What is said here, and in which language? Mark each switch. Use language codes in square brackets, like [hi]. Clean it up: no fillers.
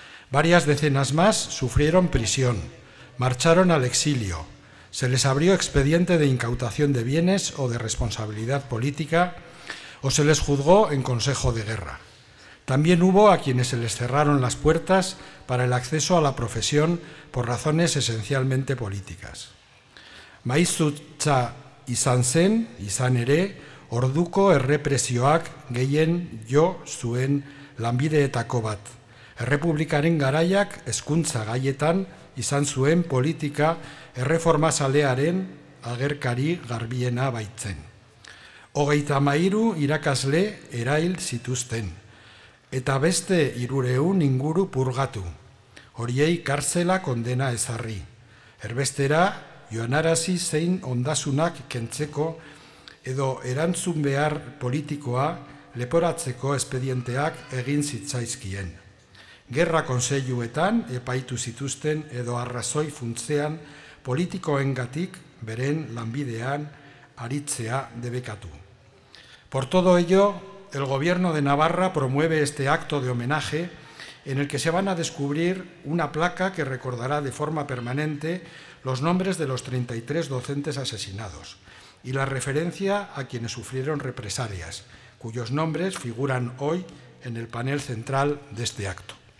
[es] Varias decenas más sufrieron prisión, marcharon al exilio, se les abrió expediente de incautación de bienes o de responsabilidad política, o se les juzgó en consejo de guerra. También hubo a quienes se les cerraron las puertas para el acceso a la profesión por razones esencialmente políticas. [eu] Maizutza izan zen, izan ere, orduko errepresioak gehien jo zuen lanbideetako bat. Errepublikaren garaiak hezkuntza gaietan izan zuen politika erreformazalearen agerkari garbiena baitzen. 33 irakasle erail zituzten, eta beste 300 inguru purgatu, horiei kartzela kondena ezarri. Erbestera, joanarazi zein ondasunak kentzeko edo erantzun behar politikoa leporatzeko espedienteak egin zitzaizkien. Gerra kontseiluetan epaitu zituzten edo arrazoi funtzean politikoengatik beren lanbidean aritzea debekatu. [es] Por todo ello, el Gobierno de Navarra promueve este acto de homenaje en el que se van a descubrir una placa que recordará de forma permanente los nombres de los 33 docentes asesinados y la referencia a quienes sufrieron represalias, cuyos nombres figuran hoy en el panel central de este acto.